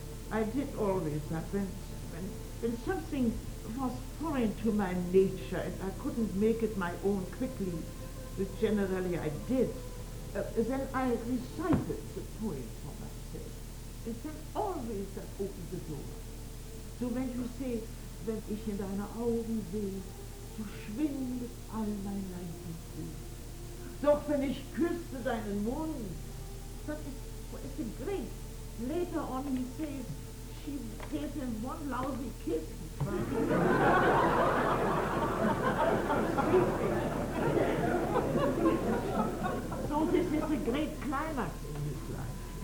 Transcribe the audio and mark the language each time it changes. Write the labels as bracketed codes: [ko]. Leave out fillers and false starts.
[en] I did always that when something was foreign to my nature, and I couldn't make it my own quickly, which generally I did, then I recited the poem for myself. And then always that opened the door. [de] So when you say, wenn ich in deine Augen sehe, so schwindet all mein Leid und Weh. Doch wenn ich küsse deinen Mund, [en] that is great. Later on he says, she gave him one lousy kiss. So this is a great climax in his life.